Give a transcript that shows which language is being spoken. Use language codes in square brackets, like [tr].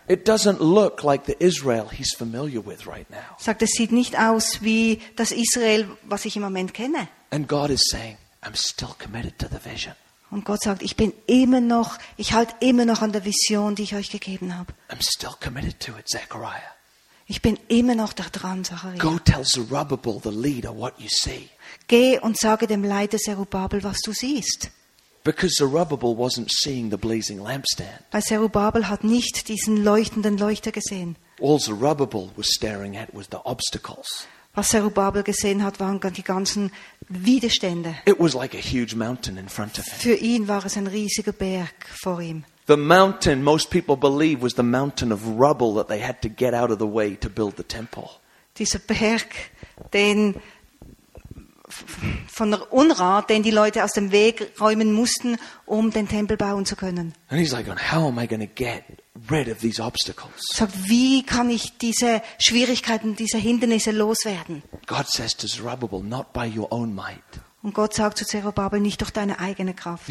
[en] It doesn't look like the Israel he's familiar with right now. [de] Sagt, es sieht nicht aus wie das Israel, was ich im Moment kenne. [en] And God is saying, I'm still committed to the vision. [de] Und Gott sagt, ich halte immer noch an der Vision, die ich euch gegeben habe. [en] I'm still committed to it, Zechariah. [de] Ich bin immer noch da dran, Zechariah. [en] Go tell Zerubbabel, the leader, what you see. [de] Geh und sage dem Leiter Zerubbabel, was du siehst. [en] Because Zerubbabel wasn't seeing the blazing lampstand. [de] Weil Zerubbabel hat nicht diesen leuchtenden Leuchter gesehen. [en] All Zerubbabel was staring at was the obstacles. [de] Was Zerubbabel gesehen hat, waren die ganzen Widerstände. [en] It was like a huge mountain in front of him. [de] Für ihn war es ein riesiger Berg vor ihm. [en] The mountain, most people believe, was the mountain of rubble that they had to get out of the way to build the temple. [de] Dieser Berg, den von der Unrat, den die Leute aus dem Weg räumen mussten, um den Tempel bauen zu können. [en] And he's like, how am I going to get rid of these obstacles? [de] Sagt, wie kann ich diese Schwierigkeiten, diese Hindernisse loswerden? [en] God says to Zerubbabel, not by your own might. [de] Und Gott sagt zu Zerubbabel, nicht durch deine eigene Kraft.